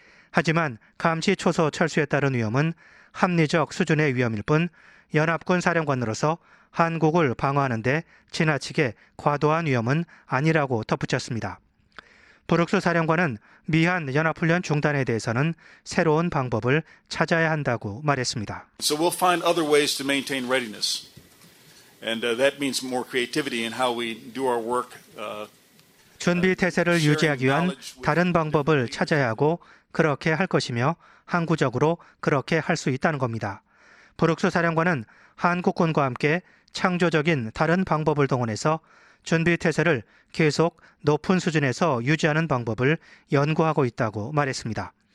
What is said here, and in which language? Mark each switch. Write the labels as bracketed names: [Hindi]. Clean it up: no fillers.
[Korean] 하지만 감시 초소 철수에 따른 위험은 합리적 수준의 위험일 뿐 연합군 사령관으로서 한국을 방어하는 데 지나치게 과도한 위험은 아니라고 덧붙였습니다. 브룩스 사령관은 미한 연합훈련 중단에 대해서는 새로운 방법을 찾아야 한다고 말했습니다. [English] So we'll find other ways to maintain readiness. And that means more creativity in how we do our work. [Korean] 준비 태세를 유지하기 위한 다른 방법을 찾아야 하고 그렇게 할 것이며 항구적으로 그렇게 할 수 있다는 겁니다. 브룩스 사령관은 한국군과 함께 창조적인 다른 방법을 동원해서 준비 태세를 계속 높은 수준에서 유지하는 방법을 연구하고 있다고 말했습니다.